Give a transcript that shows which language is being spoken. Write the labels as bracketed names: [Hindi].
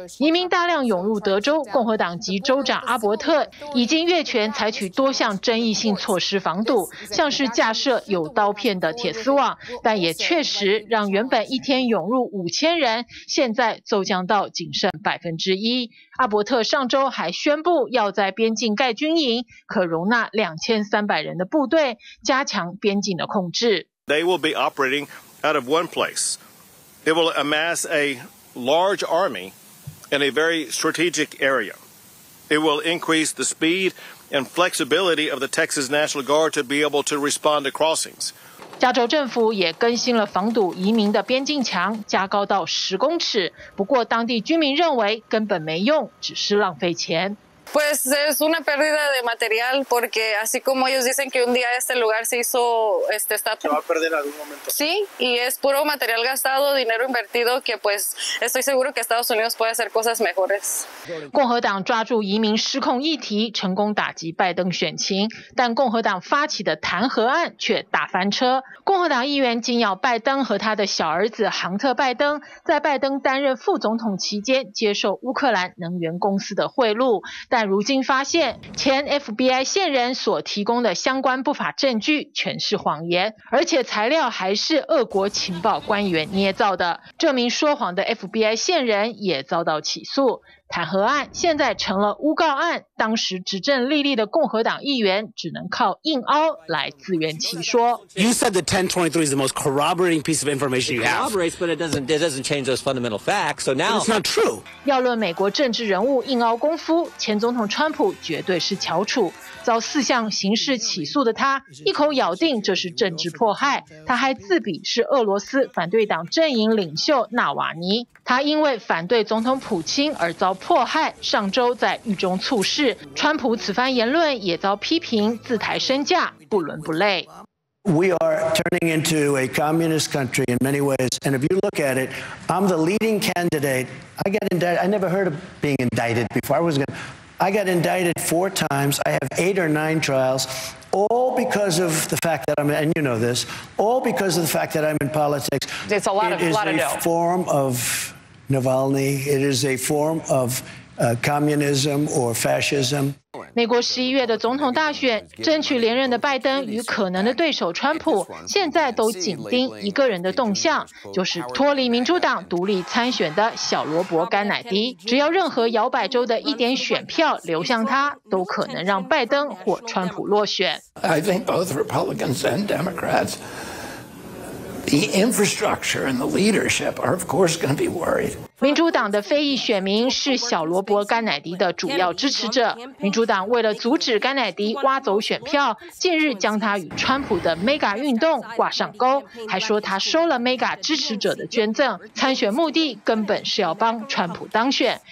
[Chinese] 移民大量涌入德州，共和党籍州长阿伯特已经越权采取多项争议性措施防堵，像是架设有刀片的铁丝网，但也确实让原本一天涌入五 5000人，现在骤降到仅剩1%。阿伯特上周还宣布要在边境盖军营，可容纳2300人的部队，加强边境的控制。 [English] They will be operating out of one place. They will amass a large army in a very strategic area. It will increase the speed and flexibility of the Texas National Guard to be able to respond to crossings. [Chinese] 加州政府也更新了防堵移民的边境墙，加高到10公尺。不过，当地居民认为根本没用，只是浪费钱。 [Spanish] Pues es una pérdida de material porque así como ellos dicen que un día este lugar se hizo este estatua. Se va a perder algún momento. Sí, y es puro material gastado, dinero invertido que pues estoy seguro que Estados Unidos puede hacer cosas mejores. [Chinese] 共和党抓住移民失控议题，成功打击拜登选情，但共和党发起的弹劾案却大翻车。共和党议员紧咬拜登和他的小儿子杭特·拜登，在拜登担任副总统期间接受乌克兰能源公司的贿赂。但如今发现，前 FBI 线人所提供的相关不法证据全是谎言，而且材料还是俄国情报官员捏造的。这名说谎的 FBI 线人也遭到起诉。弹劾案现在成了诬告案，当时执政利利的共和党议员只能靠硬凹来自圆其说。 [English] You said the 1023 is the most corroborating piece of information you have. It corroborates, but it doesn't change those fundamental facts. So now it's not true. [Chinese] 要论美国政治人物硬凹功夫，前总统川普绝对是翘楚。遭4项刑事起诉的他，一口咬定这是政治迫害。他还自比是俄罗斯反对党阵营领袖纳瓦尼。他因为反对总统普京而遭迫害，上周在狱中猝逝。川普此番言论也遭批评自抬身价，不伦不类。 [English] We are turning into a communist country in many ways, and if you look at it, I'm the leading candidate. I got indicted. I never heard of being indicted before. I got indicted 4 times. I have 8 or 9 trials, all because of the fact that I'm, and you know this, all because of the fact that I'm in politics. It's a lot of It is a lot of form of Navalny. It is a form of communism or fascism. [Chinese] 美国十一月的总统大选，争取连任的拜登与可能的对手川普，现在都紧盯一个人的动向，就是脱离民主党独立参选的小罗伯·甘乃迪。只要任何摇摆州的一点选票流向他，都可能让拜登或川普落选。 [English] I think both Republicans and Democrats, the infrastructure and the leadership are of course going to be worried. [Chinese] 民主党的非裔选民是小罗伯·甘乃迪的主要支持者。民主党为了阻止甘乃迪挖走选票，近日将他与川普的 MEGA 运动挂上钩，还说他收了 MEGA 支持者的捐赠，参选目的根本是要帮川普当选。